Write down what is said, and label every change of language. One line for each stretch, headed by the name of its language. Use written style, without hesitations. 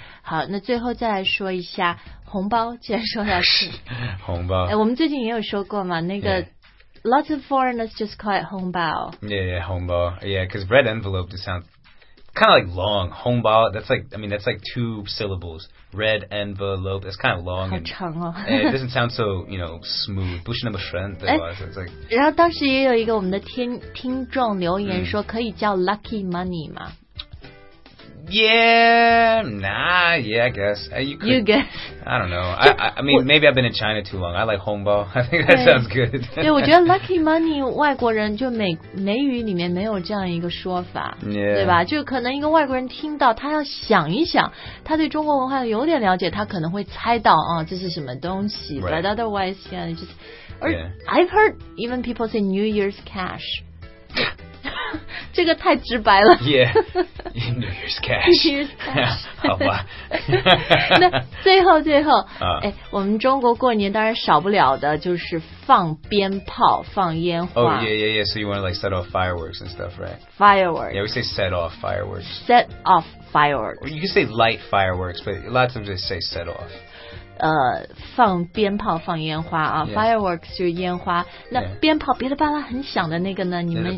Chinese: 好，那最后再来说一下红包，既然说到是红包，哎，我们最近也有说过嘛，那个、
English: yeah. lots of foreigners just call it 红包。 Yeah, 红包 ，yeah, because red envelope just sounds kind of like long. 红包 that's like two syllables. Red envelope, that's kind of long.
Chinese: 好长哦。
English: It doesn't sound so, you know, smooth.
Chinese: 不是那么顺，对吧？哎，然后当时也有一个我们的听众留言说，可以叫 lucky money 吗？
English: Yeah, nah, yeah, I guess. You guess. I don't know. I mean, maybe I've been in China too long. I like 红包. I think that sounds good.
Chinese: 对，我觉得 lucky money 外国人就美语里面没有这样一个说法，
English: yeah.
Chinese: 对吧？就可能一个外国人听到，他要想一想，他对中国文化有点了解，他可能会猜到啊，这是什么东西。
English: Right. But otherwise, yeah, just. Or yeah. I've heard even people say New Year's cash.
Chinese: 这个太直白了。
English: Yeah, New Year's cash. New Year's cash.
Chinese: 好吧。那最后、哎，我们中国过年当然少不了的就是放鞭炮、放烟花。
English: Oh yeah, yeah, yeah. So you want to like set off fireworks and stuff, right? Fireworks. Yeah, we say set off fireworks. Set off fireworks. You can say light fireworks, but a lot of times they say set off.
Chinese: 放鞭炮、放烟花啊、fireworks 就是烟花。那鞭炮噼里啪啦很响的那个呢？你们